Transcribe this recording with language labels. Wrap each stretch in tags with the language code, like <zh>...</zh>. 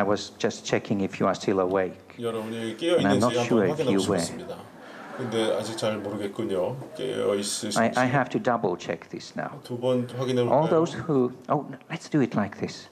<en>I was just checking if you are still awake. And I'm not sure if you were.</en> <ko>근데 아직 잘 모르겠군요. 깨어 있으신지.</ko> <en>I have to double check this now.</en> <ko>두 번 확인해 볼까요?</ko> <en>All those who, oh, let's do it like this.</en>